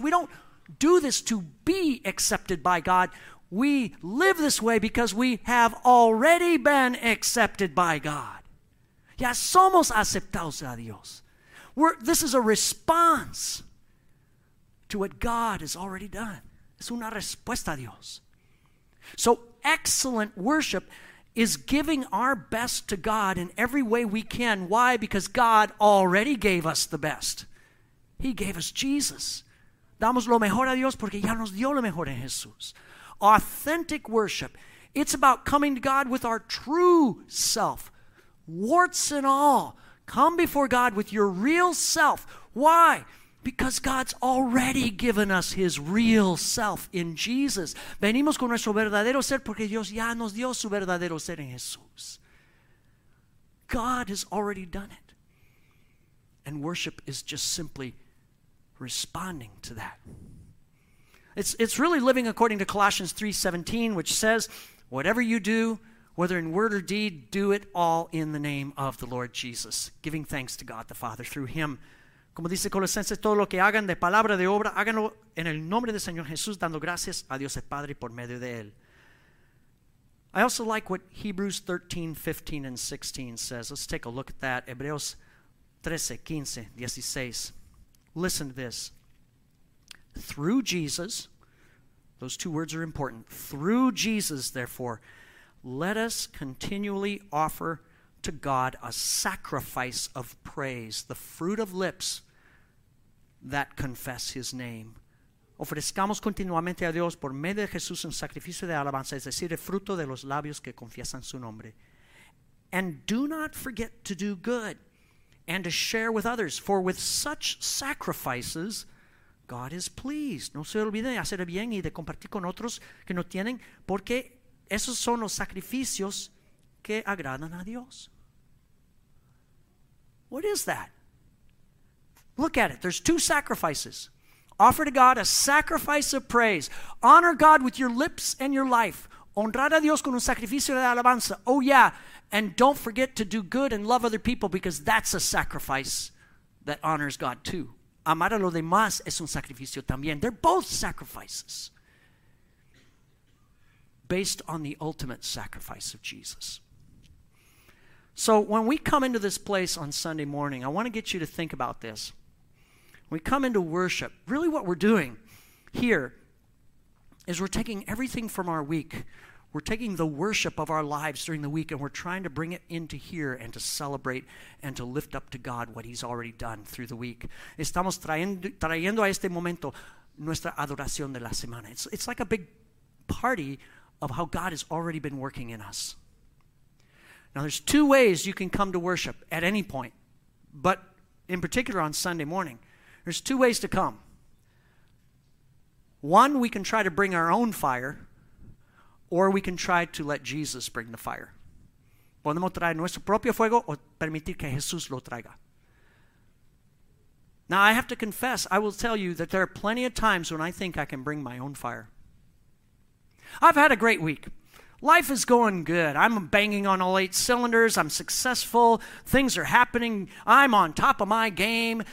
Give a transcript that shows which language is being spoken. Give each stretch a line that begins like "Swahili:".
English: We don't do this to be accepted by God. We live this way because we have already been accepted by God.
Spanish: Ya somos aceptados a Dios.
English: This is a response to what God has already done.
Spanish: Es una respuesta a Dios.
English: So excellent worship is giving our best to God in every way we can. Why? Because God already gave us the best. He gave us Jesus.
Spanish: Damos lo mejor a Dios porque ya nos dio lo mejor en Jesús.
English: Authentic worship. It's about coming to God with our true self. Warts and all. Come before God with your real self. Why? Because God's already given us his real self in Jesus.
Spanish: Venimos con nuestro verdadero ser porque Dios ya nos dio su verdadero ser en Jesús.
English: God has already done it. And worship is just simply responding to that. It's really living according to Colossians 3:17, which says, whatever you do, whether in word or deed, do it all in the name of the Lord Jesus, giving thanks to God the Father through him.
Spanish: Como dice Colosenses, todo lo que hagan de palabra, de obra, háganlo en el nombre del Señor Jesús, dando gracias a Dios el Padre por medio de él.
English: I also like what Hebrews 13:15-16 says. Let's take a look at that.
Spanish: Hebreos 13:15-16.
English: Listen to this. Through Jesus, those two words are important. Through Jesus, therefore, let us continually offer to God a sacrifice of praise, the fruit of lips that confess his name.
Spanish: Ofrezcamos continuamente a Dios por medio de Jesús un sacrificio de alabanza, es decir, el fruto de los labios que confiesan su nombre.
English: And do not forget to do good and to share with others, for with such sacrifices God is pleased.
Spanish: No se olviden de hacer bien y de compartir con otros que no tienen, porque esos son los sacrificios que agradan a Dios.
English: What is that? Look at it. There's two sacrifices. Offer to God a sacrifice of praise. Honor God with your lips and your life.
Spanish: Honrar a Dios con un sacrificio de alabanza.
English: Oh yeah, and don't forget to do good and love other people, because that's a sacrifice that honors God too.
Spanish: Amar a los demás es un sacrificio también.
English: They're both sacrifices based on the ultimate sacrifice of Jesus. So when we come into this place on Sunday morning, I want to get you to think about this. When we come into worship, really what we're doing here is we're taking everything from our week. We're taking the worship of our lives during the week, and we're trying to bring it into here and to celebrate and to lift up to God what he's already done through the week.
Spanish: Estamos trayendo a este momento nuestra adoración de la semana.
English: It's like a big party of how God has already been working in us. Now, there's two ways you can come to worship at any point, but in particular on Sunday morning. There's two ways to come. One, we can try to bring our own fire, or we can try to let Jesus bring the fire.
Spanish: Podemos traer nuestro propio fuego o permitir que Jesús lo traiga.
English: Now, I have to confess, I will tell you that there are plenty of times when I think I can bring my own fire. I've had a great week. Life is going good. I'm banging on all 8 cylinders. I'm successful. Things are happening. I'm on top of my game.